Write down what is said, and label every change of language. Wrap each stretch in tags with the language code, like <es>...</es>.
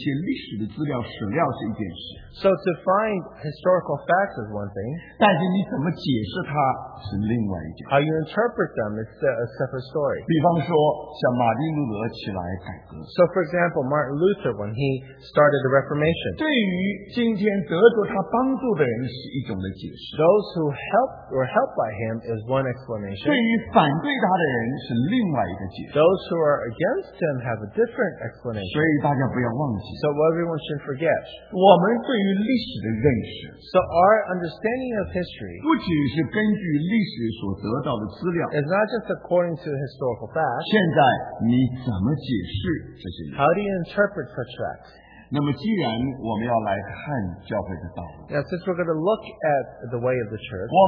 <zh>你发现说寻找发现一些历史的资料史料是一件事。</zh> <en>So to find historical facts is one thing.</en> <zh>但是你怎么解释它？</zh> <en>How you interpret them is a separate story.</en> <zh>比方说，像马丁路德起来改革。</zh> <en>So for example, Martin Luther, when he started the Reformation,</en> <zh>对于今天得着他帮助的人是一种的解释。</zh> <en>Those who were helped by him is one explanation.</en> <zh>对于反对他的人是另外一个解释。</zh> <en>Those who are against him have a different explanation.</en> <zh>所以大家不要忘记。</zh> <en>So everyone should forget.</en> <zh>我们对于历史的认识。</zh> <en>So our understanding of history</en> <zh>不仅是根据</zh> <en>It's not just according to historical facts.</en> <zh>现在你怎么解释这些？</zh> <en>How do you interpret such facts?</en> <zh>那么既然我们要来看教会的道路，</zh> <en>Now, since we're going to look at the way of the church,</en>